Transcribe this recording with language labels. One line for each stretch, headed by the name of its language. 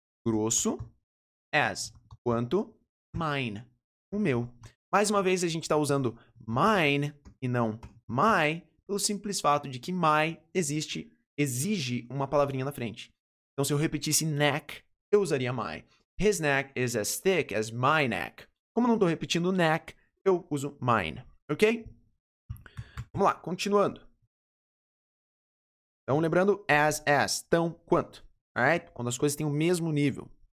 Portuguese: grosso as quanto mine, o meu. Mais uma vez, a gente está usando mine e não my pelo simples fato de que my existe, exige uma palavrinha na frente. Então, se eu repetisse neck, eu usaria my.
English: His neck is as thick as my neck.
Portuguese: Como não estou repetindo neck, eu uso mine, ok? Vamos lá, continuando. Então, lembrando, as, tão, quanto. Alright? Quando as coisas têm o mesmo nível.